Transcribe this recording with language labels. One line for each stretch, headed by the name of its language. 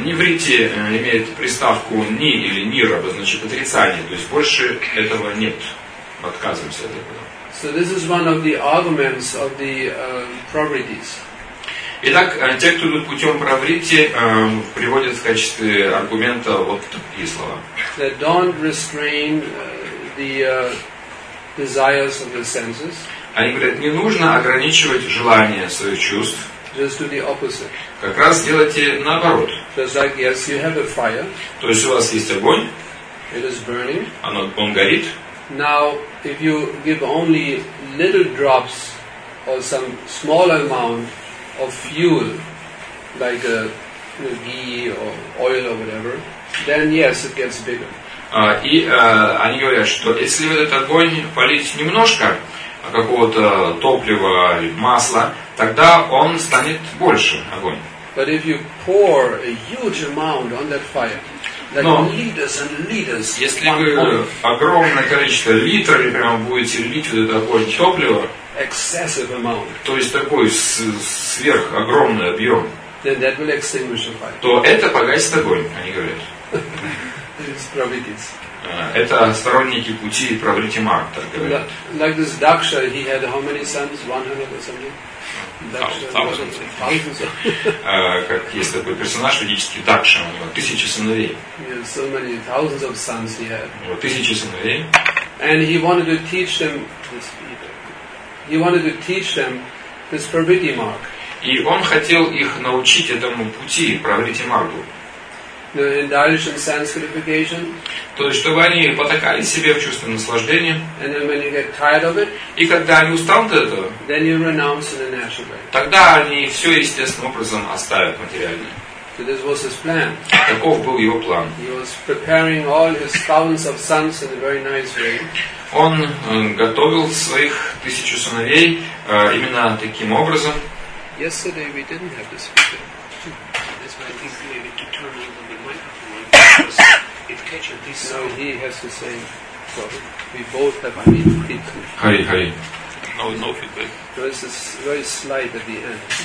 Russian: Нивритти имеет приставку ни или нир, обозначает отрицание, то есть больше этого нет, отказываемся от этого.
English: So this is one of the arguments of the pravrittis.
Russian: Итак, те, кто идут путем провритти, приводят в качестве аргумента вот такие слова.
English: That don't restrain the desires of the senses.
Russian: Они говорят, не нужно ограничивать желания своих чувств.
English: Just do the opposite.
Russian: Как раз делайте наоборот.
English: Just like, yes, you have a fire.
Russian: То есть у вас есть огонь.
English: It is burning.
Russian: Он горит.
English: Now, if you give only little drops or some small amount of fuel, like a ghee or oil or whatever, then yes, it gets bigger.
Russian: Они говорят, что если в этот огонь полить немножко какого-то топлива или масла, тогда он станет больше огонь.
English: But if you pour a huge amount on that fire, like liters and liters,
Russian: если вы огромное количество литрами прямо будете лить в этот огонь топлива.
English: Excessive amount.
Russian: То есть такой сверх огромный объем.
English: Then that will extinguish the fire.
Russian: То это погасит огонь, они говорят. Это сторонники пути провритти марг, так говорят.
English: Like this Daksha, he had how many sons? 100 or something?
Russian: Как есть такой персонаж ведический Дакша, у него тысячи сыновей.
English: So many thousands of sons he had.
Russian: Тысячи сыновей.
English: And he wanted to teach them. He wanted to teach them this pravritti mark.
Russian: И он хотел их научить этому пути pravritti margu.
English: The indulgence sense gratification.
Russian: То есть чтобы они потакали себе в чувстве наслаждения.
English: And then when you get tired of it.
Russian: И когда они устанут от этого.
English: Then you renounce in a natural way.
Russian: Тогда они все естественным образом оставят материальное.
English: So this was his plan.
Russian: Таков был его план.
English: He was preparing all his thousands of sons in a very nice way.
Russian: Он готовил своих тысячу сыновей именно таким образом.
English: Yesterday we didn't have this. That's why I think maybe to turn on the microphone it catches this. So he has to say, we both have. I mean, hi, hi. No feedback. There is a very slight at the end.